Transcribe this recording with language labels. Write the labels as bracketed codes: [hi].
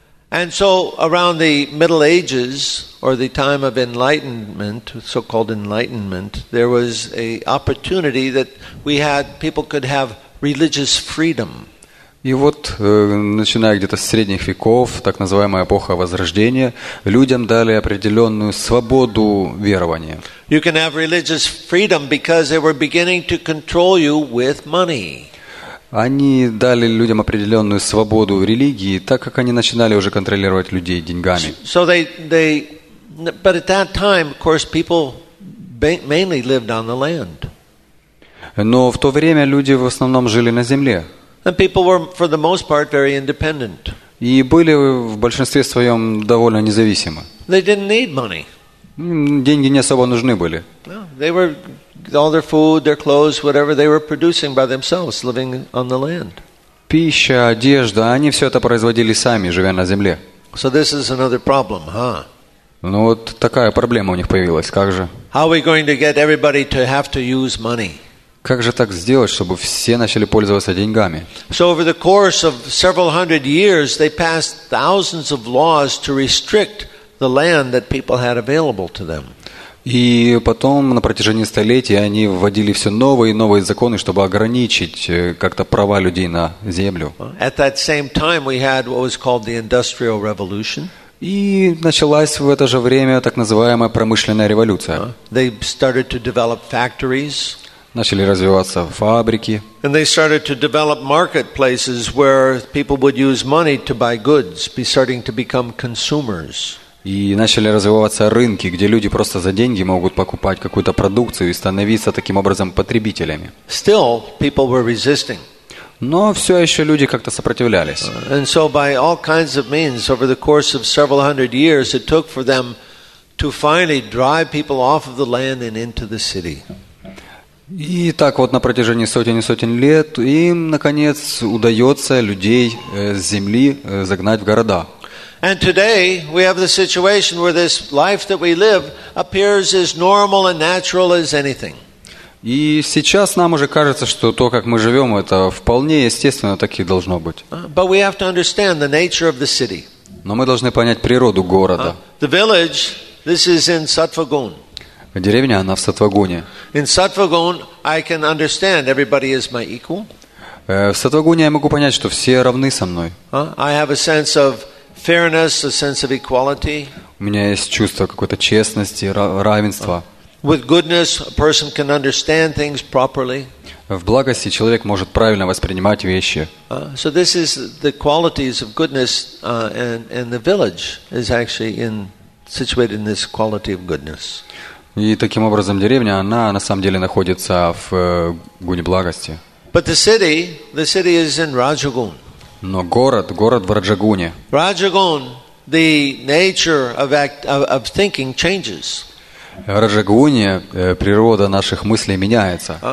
[en] And so, around the Middle Ages or the time of Enlightenment, so-called Enlightenment, there was a opportunity that we had people could have. Religious freedom. [ru] И вот, начиная где-то с средних веков, так называемая эпоха Возрождения, людям дали определенную свободу верования. [en] You can have religious freedom because they were beginning to control you with money. [ru] Они дали людям определенную свободу религии, так как они начинали уже контролировать людей деньгами. [en] So they, but at that time, of course, people mainly lived on the land. [ru] Но в то время люди в основном жили на земле. [en] And people were, for the most part, very independent. [ru] И были в большинстве своем довольно независимы. [en] They didn't need money. [ru] Деньги не особо нужны были. [en] They were, all their food, their clothes, whatever they were producing by themselves, living on the land. [ru] Пища, одежда, они все это производили сами, живя на земле. [en] So this is another problem, huh? [ru] Ну вот такая проблема у них появилась, как же? [en] How are we going to get everybody to have to use money? [ru] Как же так сделать, чтобы все начали пользоваться деньгами? [en] So over the course of several hundred years, they passed thousands of laws to restrict the land that people had available to them. [ru] И потом на протяжении столетий они вводили все новые и новые законы, чтобы ограничить как-то права людей на землю. [en] At that same time we had what was called the Industrial Revolution. [ru] И началась в это же время так называемая промышленная революция. [en] They started to develop factories. [ru] Начали развиваться фабрики. [en] And they started to develop marketplaces where people would use money to buy goods, starting to become consumers. [ru] И начали развиваться рынки, где люди просто за деньги могут покупать какую-то продукцию и становиться таким образом потребителями. [en] Still, people were resisting. [ru] Но все еще люди как-то сопротивлялись. [en] And so by all kinds of means, over the course of several hundred years, it took for them to finally drive people off of the land and into the city. [ru] И так вот на протяжении сотен и сотен лет им, наконец, удается людей с земли загнать в города. [en] And today we have the situation where this life that we live appears as normal and natural as anything. [ru] И сейчас нам уже кажется, что то, как мы живем, это вполне естественно, так и должно быть. [en] But we have to understand the nature of the city. [ru] Но мы должны понять природу города. [en] The village, this is in Satvagun. [ru] Деревня, она в Сатвагуне. [en] In Satvagun, I can understand everybody is my equal. [ru] В Сатвагуне я могу понять, что все равны со мной. [en] I have a sense of fairness, a sense of equality. [ru] У меня есть чувство какой-то честности, равенства. [en] With goodness, a person can understand things properly. [ru] В благости человек может правильно воспринимать вещи. [en] So this is the qualities of goodness, and the village is actually in situated in this quality of goodness. [ru] И таким образом деревня, она на самом деле находится в гуне благости. [en] But the city is in Rajagun. [ru] Но город в Раджагуне. [en] Rajagun, the nature of thinking changes. [ru] В Раджагуне природа наших мыслей меняется.